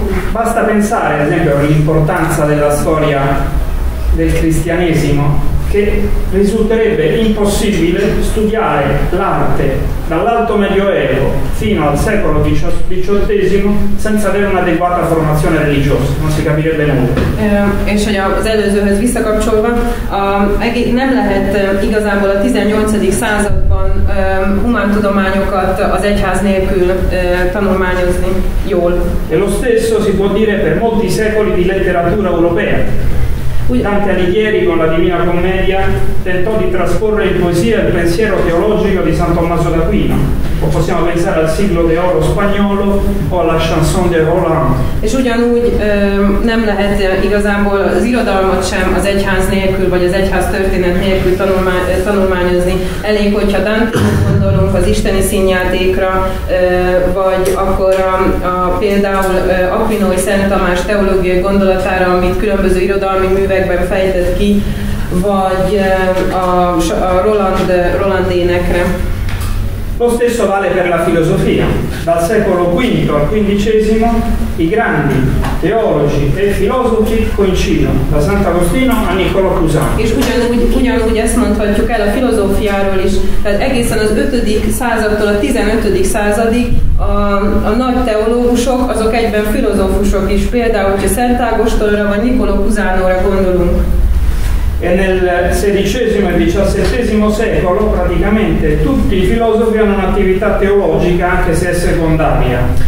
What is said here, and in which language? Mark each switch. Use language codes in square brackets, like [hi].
[it] Basta pensare, ad esempio, all'importanza della storia del cristianesimo, che risulterebbe impossibile studiare l'arte dall'alto medioevo fino al secolo XVIII senza avere un'adeguata formazione religiosa, non si capirebbe nulla. [hu] És hogy az előzőhöz visszakapcsolva, nem lehet igazából a 18. században humántudományokat az egyház nélkül tanulmányozni jól. [it] E lo stesso si può dire per molti secoli di letteratura europea. Dante Alighieri con la Divina Commedia tentò di trasporre in poesia il pensiero teologico di San Tommaso d'Aquino. O possiamo pensare al Siglo d'Oro spagnolo o alla Chanson de Roland. [hu] És ugyanúgy nem lehet igazából az irodalmat sem az egyház nélkül, vagy az egyház történet nélkül tanulmányozni. Elég, hogyha Dante-t gondolunk az isteni színjátékra, vagy akkor például Aquinói Szent Tamás teológiai gondolatára, amit különböző irodalmi években fejtett ki, vagy a Roland énekre. [it] Lo stesso vale per la filosofia. Dal secolo V al XV i grandi teologi e filosofi coincidono, da Sant'Agostino a Niccolò Cusano. [hu] És ugyanúgy ezt mondhatjuk el a filozófiáról is, tehát egészen az 5. századtól a 15. századig a nagy teológusok, azok egyben filozófusok is, például, hogyha Szent Ágostonra vagy Niccolò Cusanóra gondolunk. [it] E nel XVI e XVII secolo praticamente tutti i filosofi hanno un'attività teologica anche se è secondaria.